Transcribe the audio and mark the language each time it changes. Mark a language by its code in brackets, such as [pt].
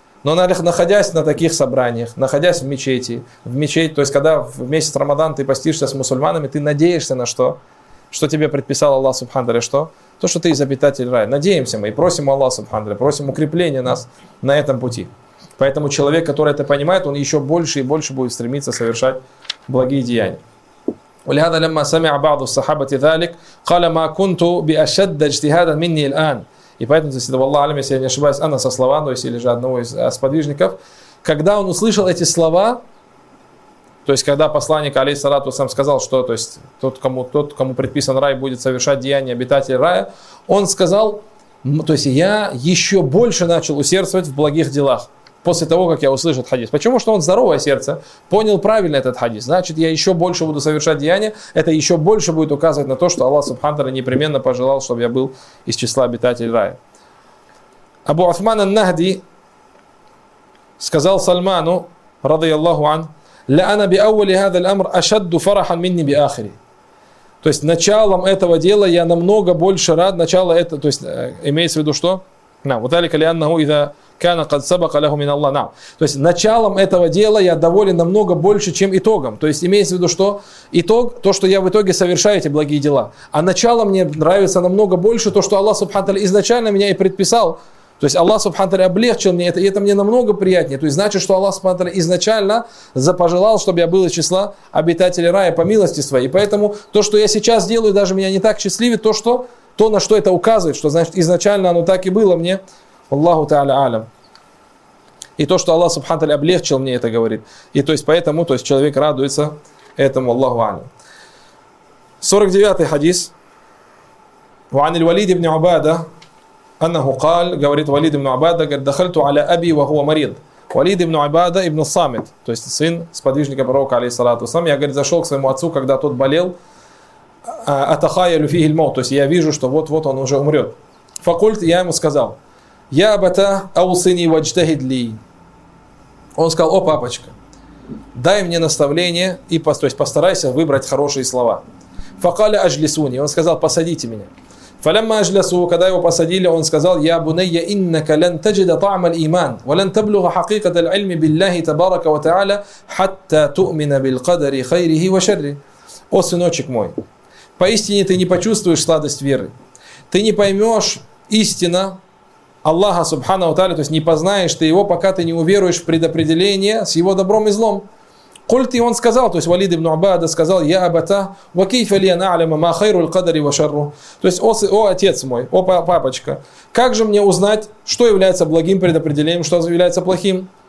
[ru] Но находясь на таких собраниях, находясь в мечети, то есть когда в месяц Рамадан ты постишься с мусульманами, ты надеешься на что? Что тебе предписал Аллах Субхану Тааля? Что? То, что ты из обитателей рая. Надеемся мы и просим Аллаха субхану тааля, просим укрепления нас на этом пути. Поэтому человек, который это понимает, он еще больше и больше будет стремиться совершать благие деяния. [ar] ولهذا لما سمع بعض الصحابة ذلك قال ما كنت بأشد اجتهادا مني الآن. [ru] И поэтому, если Аллах алим, если я не ошибаюсь, Анна со слова, но если же одного из сподвижников, когда он услышал эти слова, то есть, когда посланник, алейхиссалату вассалям, сказал, что то есть, тот, кому предписан рай, будет совершать деяния обитателей рая, он сказал, то есть, я еще больше начал усердствовать в благих делах после того, как я услышал хадис. Почему? Что он здоровое сердце, понял правильно этот хадис. Значит, я еще больше буду совершать деяния, это еще больше будет указывать на то, что Аллах субхану тааля непременно пожелал, чтобы я был из числа обитателей рая. Абу Усман ан-Нахди сказал Сальману, радыяллаху ан, [ar] لَأَنَا بِأَوَّلِ هَذَا الْأَمْرِ أَشَدُّ فَرَحًا مِنِّي بِآخِرِ. [ru] То есть началом этого дела я намного больше рад. Начало это, то есть имеется в виду что? [ar] وَذَلِكَ لِأَنَّهُ إِذَا كَانَ قَدْ سَبَقَ لَهُ مِنَ اللَّهِ. [ru] То есть началом этого дела я доволен намного больше, чем итогом. То есть имеется в виду что? Итог, то, что я в итоге совершаю эти благие дела. А начало мне нравится намного больше, то, что Аллах субхану тааля изначально меня и предписал. То есть Аллах субхану тааля облегчил мне это, и это мне намного приятнее. То есть значит, что Аллах субхану тааля изначально запожелал, чтобы я был из числа обитателей рая по милости своей. И поэтому то, что я сейчас делаю, даже меня не так счастливит, то, на что это указывает, что значит изначально оно так и было мне. Аллаху тааля алям. И то, что Аллах субхану тааля облегчил мне это, говорит. И то есть поэтому то есть человек радуется этому, Аллаху алям. 49-й хадис. [ar] وعن الوليد بن عبادة أنه قال [ru] говорит Валид ибн Абада, говорит, [ar] دخلت على أبي وهو مريض. [ru] Валид ибн Абада ибн Самит, то есть сын сподвижника пророка, алейхиссалату вассалям, я, говорит, зашел к своему отцу, когда тот болел, [ar] أتخيل فيه الموت, [ru] то есть я вижу, что вот-вот он уже умрет. [ar] فقلت, [ru] я ему сказал, [ar] я абата أوصني واجتهد لي. [ru] Он сказал, о папочка, дай мне наставление, и, то есть постарайся выбрать хорошие слова. [ar] فقال أجلسوني, [ru] он сказал, посадите меня. [ar] فَلَمَّا أَجْلَسُوا, [ru] когда его посадили, он сказал, [ar] يَا بُنَيَّ إِنَّكَ لَنْ تَجِدَ طَعْمَ الْإِيمَانِ وَلَنْ تَبْلُغَ حَقِيقَةَ الْعِلْمِ بِاللَّهِ تَبَارَكَ وَتَعَالَى حَتَّى تُؤْمِنَ بِالْقَدَرِ خَيْرِهِ وَشَرِّهِ. [ru] О, сыночек мой, поистине ты не почувствуешь сладость веры. Ты не поймешь истина Аллаха Субхана ва Тааля, то есть не познаешь ты его, пока ты не уверуешь в предопределение с его добром и злом. Культ, и он сказал, то есть Валид ибн Абада сказал, [ar] я абата, ва кейфа ли я на'лама ма хайру л-кадри ва шарру. [ru] То есть, о отец мой, о папочка, как же мне узнать, что является благим предопределением, что является плохим?